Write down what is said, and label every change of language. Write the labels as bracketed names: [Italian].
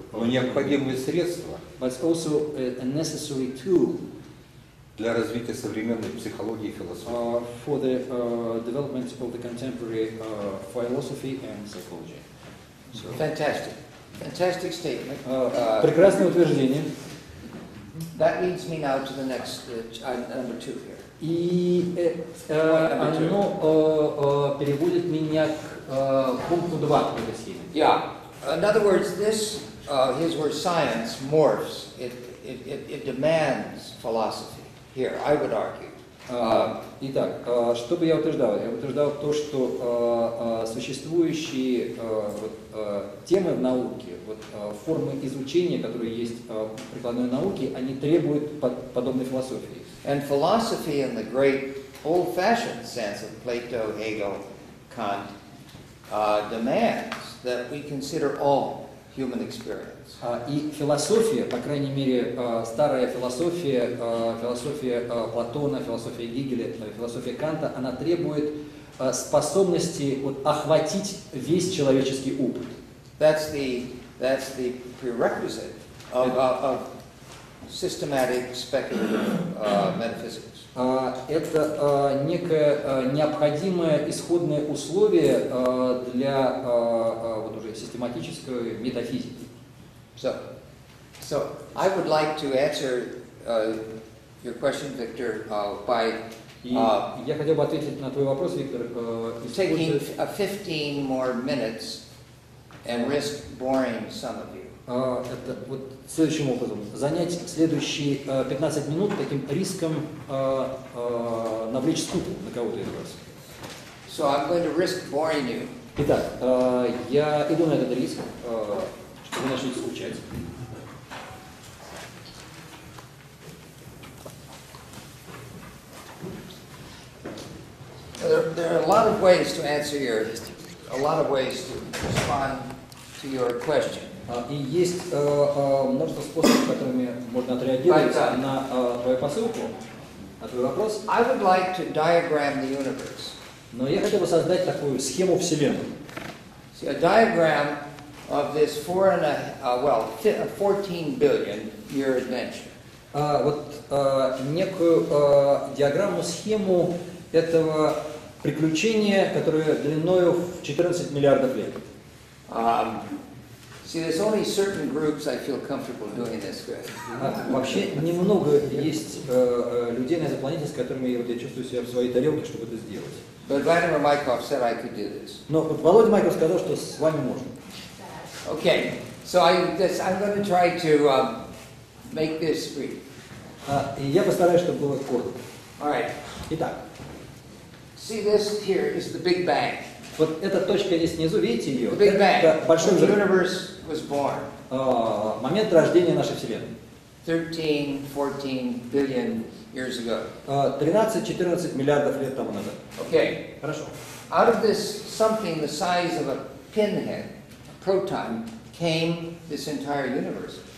[Russian] но необходимые средства, [English] but it's also a necessary tool. [Russian] Для развития современной психологии и философии. [English] For the development of the contemporary philosophy and psychology. So. Fantastic statement. [Russian] Прекрасное утверждение. [English] That leads me now to the next number two here. [Russian] И оно переводит меня к пункту два в магазине. [English] Yeah. In other words, this his word science morphs. It demands philosophy. Here, I would argue. [Russian] Итак, что бы я утверждал? Я утверждал то, что существующие темы в науке, формы изучения, которые есть в прикладной науке, они требуют подобной философии. [English] And philosophy in the great old-fashioned sense of Plato, Hegel, Kant demands that we consider all human experience. [Russian] И философия, по крайней мере, старая философия, философия Платона, философия Гегеля, философия Канта, она требует способности охватить весь человеческий опыт. [English] That's the prerequisite systematic speculative metaphysics. [Russian] Это некое необходимое исходное условие для вот уже систематической метафизики. [English] So I would like to answer your question, Victor, by [Russian] я хотел бы ответить на твой вопрос, Виктор, [English] taking 15 more minutes and risk boring some of you. [Russian] Это вот следующим образом. Занять следующие 15 минут таким риском навлечь скуку на кого-то из вас. [English] So I'm going to risk boring you. [Russian] Итак, я иду на этот риск, чтобы вы начнете скучать. [English] There are a lot of ways to answer your, a lot of ways to respond to your question. [Russian] И есть множество способов, которыми можно отреагировать на твою посылку, на твой вопрос. [English] I would like to diagram the universe. [Russian] Но я хотел бы создать такую схему Вселенной. [English] See, a diagram of this 14 billion year adventure. [Russian] Некую диаграмму, схему этого приключения, которое длиною в 14 миллиардов лет. [English] See, there's only certain groups I feel comfortable doing this with. [Russian] Вообще немного есть людей на этой планете, с которыми я чувствую себя в своей тарелке, чтобы это сделать. [English] But Vladimir Mikhov said I could do this. [Russian] Но Володя Майков сказал, что с вами можно. [English] Okay, so I'm going to try to make this brief. [Russian] Я постараюсь, чтобы было коротко. [English] All right. [Russian] Итак. [English] See, this here is the Big Bang. [Russian] Вот эта точка здесь внизу, видите ее? [English] The Big Bang. [Russian] Это большой взрыв. [English] Universe was born. [Russian] Момент рождения нашей Вселенной. [English] 13-14 billion years ago. [Russian] 13-14 миллиардов лет тому назад. [English] Okay. [Russian] Хорошо. [English] Out of this something the size of a pinhead, a proton, came this entire universe.